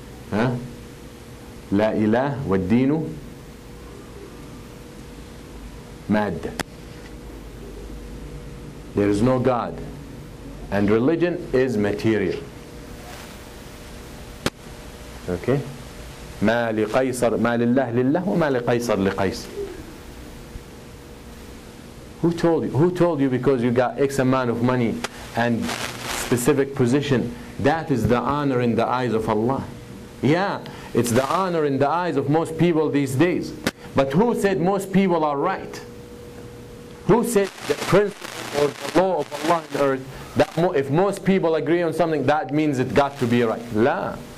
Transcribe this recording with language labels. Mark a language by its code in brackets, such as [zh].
[ar] Huh? لا إله والدين مادة. [en] There is no God, and religion is material. Okay. [ar] ما لقيصر ما لله لله وما لقيصر لقيصر. [en] Who told you? Who told you because you got X amount of money and specific position that is the honor in the eyes of Allah? Yeah, it's the honor in the eyes of most people these days. But who said most people are right? Who said the principle or the law of Allah on earth that if most people agree on something, that means it got to be right? La.